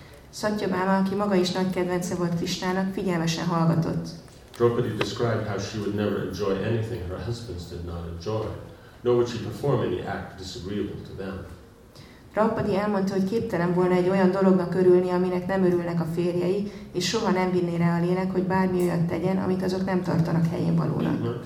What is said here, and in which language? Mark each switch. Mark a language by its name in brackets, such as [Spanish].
[Hungarian] Satyabhama, aki maga is nagy kedvence volt Krishnának, figyelmesen hallgatott. [English] Draupadi described how she would never enjoy anything her husbands did not enjoy, nor would she perform any act disagreeable to them. [Hungarian] Prabhupada elmondta, hogy képtelen volna egy olyan dolognak örülni, aminek nem örülnek a férjei, és soha nem vinné rá a lélek, hogy bármi olyan tegyen, amit azok nem tartanak helyén valónak.